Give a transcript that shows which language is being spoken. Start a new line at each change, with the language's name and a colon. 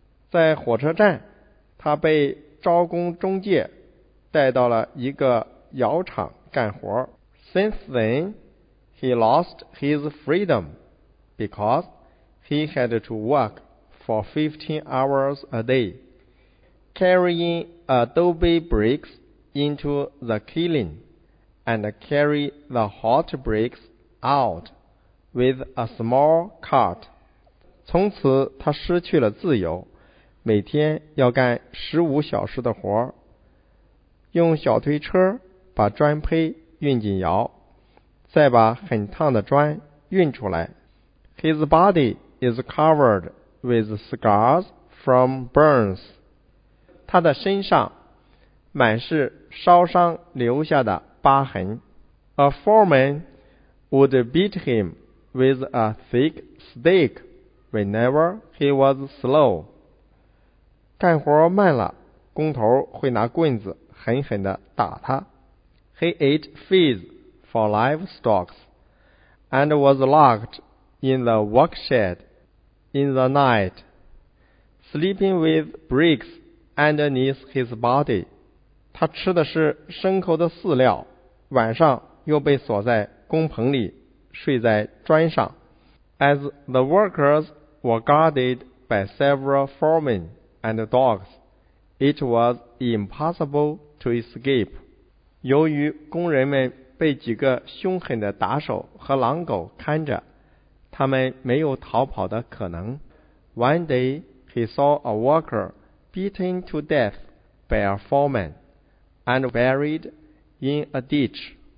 Chinese: 在火车站，他被招工中介带到了一个窑厂干活。
English: Since then, he lost his freedom because he had to work for 15 hours a day, carrying adobe bricks into the kiln and carry the hot bricks out with a small cart.
Chinese: 从此他失去了自由，每天要干15小时的活，用小推车把砖胚运进窑，再把很烫的砖运出来。
English: His body is covered with scars from burns.
Chinese: 他的身上满是烧伤留下的疤痕。
English: A foreman would beat him with a thick stick whenever he was slow.
Chinese: 干活慢了，工头会拿棍子狠狠地打他。
English: He ate feed for livestock and was locked in the workshed in the night, sleeping with bricks underneath his body.
Chinese: 他吃的是牲口的饲料，晚上又被锁在工棚里，睡在砖上。
English: As the workers were guarded by several foremen and dogs, it was impossible to escape.
Chinese: 由于工人们被几个凶狠的打手和狼狗看着，他们没有逃跑的可能。
English: One day, he saw a worker beaten to death by a foreman and buried in a ditch.